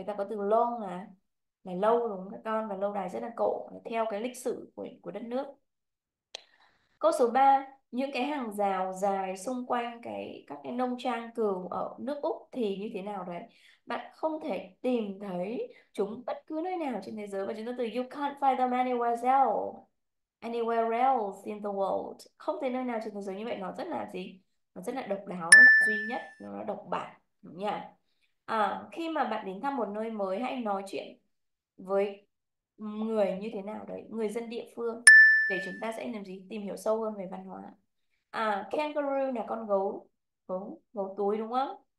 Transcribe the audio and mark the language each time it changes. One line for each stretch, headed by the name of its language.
Vietnamese: Người ta có từ long là lâu đúng không các con, và lâu đài rất là cổ theo cái lịch sử của đất nước. Câu số 3, những cái hàng rào dài xung quanh các cái nông trang cừu ở nước Úc thì như thế nào đấy? Bạn không thể tìm thấy chúng bất cứ nơi nào trên thế giới, và chúng ta từ
English: you can't find them anywhere else. Anywhere else in the world.
Vietnamese: Không thể nơi nào trên thế giới như vậy. Nó rất là gì? Nó rất là độc đáo, nó duy nhất, nó độc bản, đúng nhỉ? Khi mà bạn đến thăm một nơi mới, hãy nói chuyện với người như thế nào đấy, người dân địa phương, để chúng ta sẽ làm gì? Tìm hiểu sâu hơn về văn hóa. Kangaroo là con gấu, gấu, gấu túi đúng không?